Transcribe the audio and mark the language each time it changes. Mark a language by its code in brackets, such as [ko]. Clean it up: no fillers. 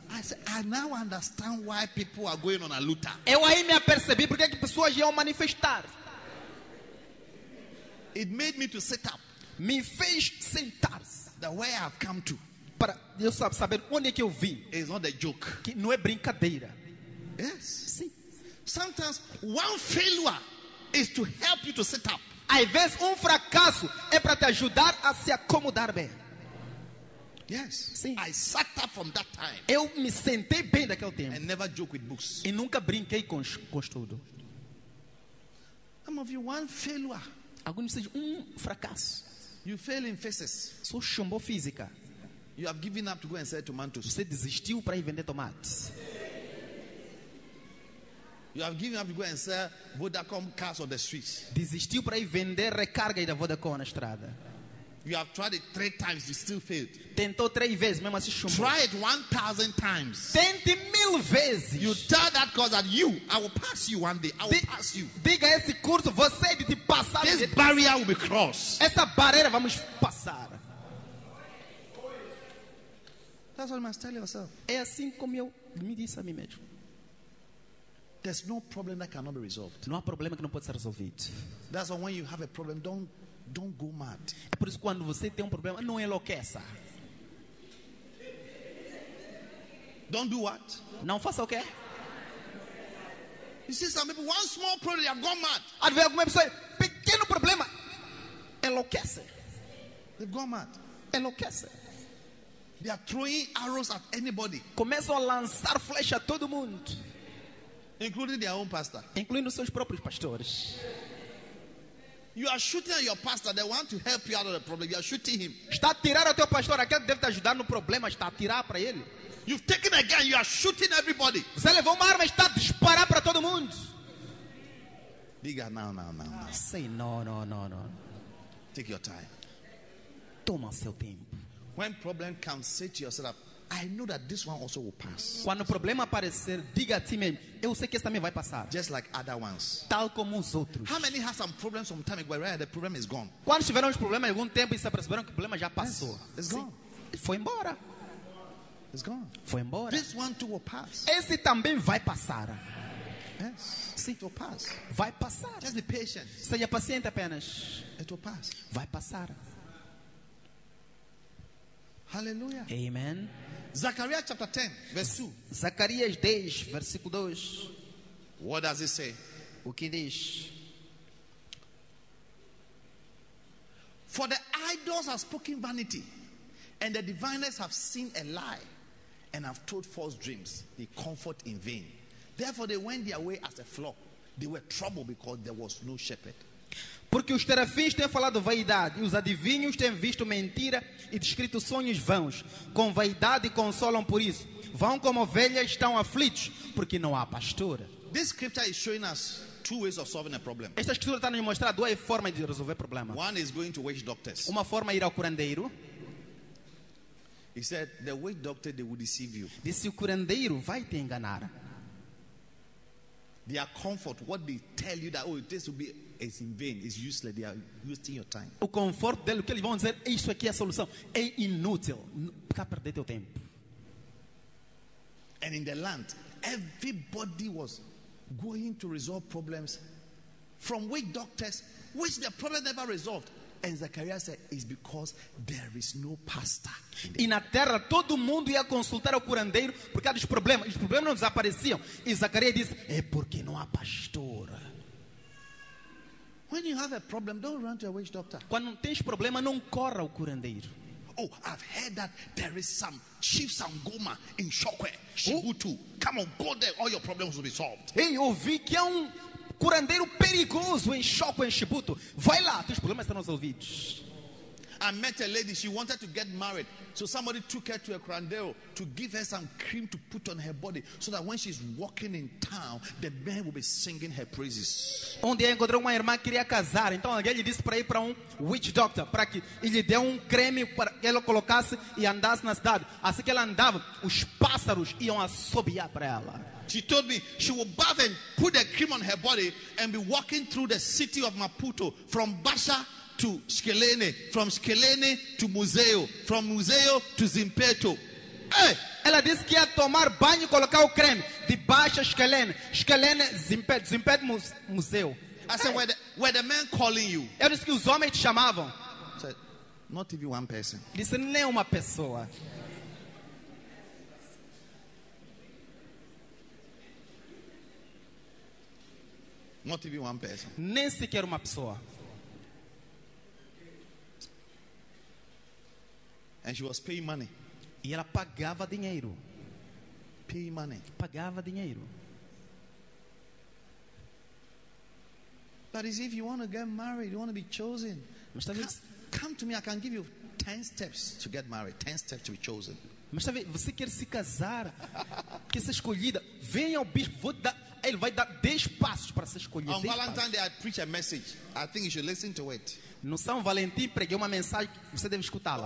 [en] I said, I now understand why people are going on a luta. [pt] Eu aí me apercebi porque que pessoas iam manifestar. [en] It made me to sit up. [pt] Me fez sentar. [en] The way I've come to. [pt] Para eu saber onde é que eu vim. [en] It's not a joke. [pt] Que não é brincadeira. [en] Yes. [pt] Sim. [en] Sometimes one failure is to help you to sit up. [pt] Às vezes fracasso é para te ajudar a se acomodar bem. [en] Yes. [pt] Sim. [en] I sat up from that time. [pt] Eu me sentei bem daquele tempo. [en] And never joke with books. [pt] E nunca brinquei com estudo. [en] Some of you one failure. [pt] Alguns dizem fracasso. [en] You fail in physics. [pt] Sou chumbou física. [en] You have given up to go and sell tomatoes. [pt] Você desistiu para ir vender tomates. [en] You have given up to go and sell Vodacom cars on the streets. [pt] Desistiu para ir vender recarga da Vodacom na estrada. [en] You have tried it 3 times, you still failed. [pt] Tentou 3 vezes, mesmo assim chumbou. [en] Try it 1,000 times. [pt] Tente 1,000 vezes. [en] You tell that course that you, I will pass you one day. I will pass you. [pt] Diga esse curso, você de te passar. [en] This barrier will be crossed. [pt] Essa barreira vamos passar. [en] That's what you must tell yourself. [pt] É assim como eu me disse a mim mesmo. [en] There's no problem that cannot be resolved. [pt] Não há problema que não pode ser resolvido. [en] That's why when you have a problem, don't go mad. [pt] É por isso que quando você tem problema, não enlouqueça. [en] Don't do what? [pt] Não faça o quê? [en] You see, some people, one small problem, they've gone mad. [pt] Às vezes alguma pessoa, pequeno problema, enlouquece. [en] They've gone mad. [pt] Enlouquece. [en] They are throwing arrows at anybody. [pt] Começam a lançar flechas a todo mundo. [en] Including their own pastor. [pt] Incluindo seus próprios pastores. [en] You are shooting at your pastor, they want to help you out of the problem. You are shooting him. [pt] Está a tirar ao teu pastor, aquele que deve te ajudar no problema, está a tirar para ele. [en] You've taken a gun, you are shooting everybody. [pt] Você levou uma arma e está a disparar para todo mundo. Diga, não. [en] Say no. Take your time. [pt] Toma seu tempo. [en] When problem comes, say to yourself, I know that this one also will pass. [pt] Quando o problema aparecer, diga a ti mesmo, eu sei que esse também vai passar. [en] Just like other ones. [pt] Tal como os outros. [en] How many have some problems some time ago, right? The problem is gone. [pt] Quando tiveram uns problemas algum tempo e se aperceberam que o problema já passou. [en] Yes, it's gone. [pt] Foi embora. [en] It's gone. [pt] Foi embora. [en] This one too will pass. [pt] Esse também vai passar. [en] Yes. [pt] Sim. [en] It will pass. [pt] Vai passar. [en] Just be patient. [pt] Seja paciente apenas. [en] It will pass. [pt] Vai passar. [en] Hallelujah. Amen. Zechariah chapter 10, verse 2. [pt] Zacarias 10, versículo 2. [en] What does it say? [pt] O que diz? [en] For the idols have spoken vanity, and the diviners have seen a lie, and have told false dreams. They comfort in vain. Therefore they went their way as a flock. They were troubled because there was no shepherd. [pt] Porque os terafins têm falado vaidade, e os adivinhos têm visto mentira e descrito sonhos vãos. Com vaidade consolam por isso. Vão como ovelhas, estão aflitos, porque não há pastor. [en] This scripture is showing us two ways of solving a problem. [pt] Esta escritura está nos mostrando duas formas de resolver problema. [en] One is going to witch doctors. [pt] Uma forma é ir ao curandeiro. [en] He said, the witch doctor, they will deceive you. [pt] Disse o curandeiro vai te enganar. [en] Their comfort, what they tell you that, oh, this will be, it's in vain, it's useless, they are wasting your time. [pt] O conforto dele, o que eles vão dizer, isso aqui é a solução, é inútil, fica a perder teu tempo. [en] And in the land, everybody was going to resolve problems from witch doctors, which the problem never resolved. And Zechariah said, it's because there is no pastor. [pt] E na terra, todo mundo ia consultar o curandeiro por causa dos problemas. Os problemas não desapareciam. E Zechariah disse, é porque não há pastor. [en] When you have a problem, don't run to a witch doctor. [pt] Quando tens problema, não corra ao curandeiro. [en] Oh, I've heard that there is some chief Sangoma in Shokwe, Shibutu. Oh? Come on, go there, all your problems will be solved. [pt] Ei, ouvi que há um curandeiro perigoso em Shokwe, em Shibutu. Vai lá, teus problemas estão resolvidos. [en] I met a lady, she wanted to get married. So somebody took her to a curandeiro to give her some cream to put on her body so that when she's walking in town, the man will be singing her praises. [pt] Um dia encontrou uma irmã que queria casar. Então alguém lhe disse para ir para [en] witch doctor, [pt] para que ele dê creme para que ela colocasse e andasse na cidade. Assim que ela andava, os pássaros iam assobiar para ela. [en] She told me she will bath and put the cream on her body and be walking through the city of Maputo from Basha to Skelene, from Skelene to Museo, from Museo to Zimpeto. Hey! [pt] Ela disse que ia tomar banho e colocar o creme de Basha Skelene, Skelene Zimpeto, Zimpeto Museo. [en] I said, hey! Where the men calling you? [pt] Eu disse que os homens te chamavam. [en] Said, not even one person. [pt] Disse nem uma pessoa. [en] Not even one person. [pt] Nem sequer uma pessoa. [en] And she was paying money. [pt] E ela pagava dinheiro. [en] Paying money. [pt] Pagava dinheiro. [en] But if you want to get married, you want to be chosen. [pt] Mas talvez, [en] come to me, I can give you 10 steps to get married, 10 steps to be chosen. [pt] Mas talvez, você quer se casar, quer ser escolhida, venha ao bispo, vou dar, ele vai dar 10 passos para ser escolhida. [en] On Valentine's Day, I preach a message. I think you should listen to it. [pt] No São Valentim preguei uma mensagem, você deve escutá-la.